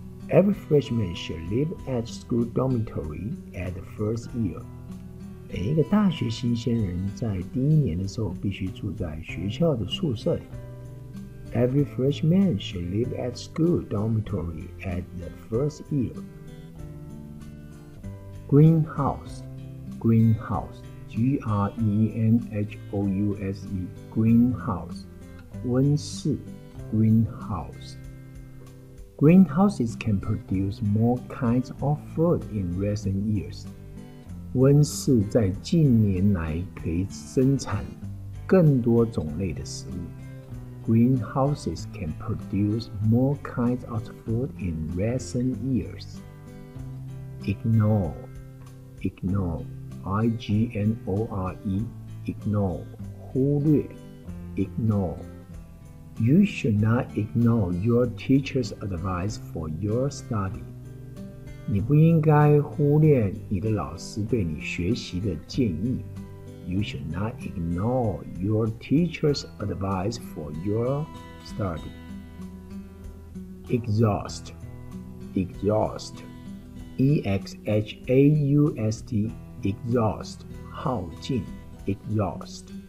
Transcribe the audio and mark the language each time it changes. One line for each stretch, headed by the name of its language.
English: Every freshman should live at school dormitory at the first year.
Chinese: 每一个大学新鲜人在第一年的时候必须住在学校的宿舍里。
English: Every freshman should live at school dormitory at the first year. Greenhouse, greenhouse, G-R-E-N-H-O-U-S-E, greenhouse, 温室 greenhouse. Greenhouses can produce more kinds of food in recent years.
Chinese: 温室在近年来可以生产更多种类的食物。
English: Greenhouses can produce more kinds of food in recent years. Ignore, ignore, I-G-N-O-R-E, ignore, 忽略 ignore. You should not ignore your teacher's advice for your study.
Chinese: 你不应该忽略你的老师对你学习的建议。
English: You should not ignore your teacher's advice for your study. Exhaust, exhaust, E-X-H-A-U-S-T, exhaust, 耗尽 exhaust.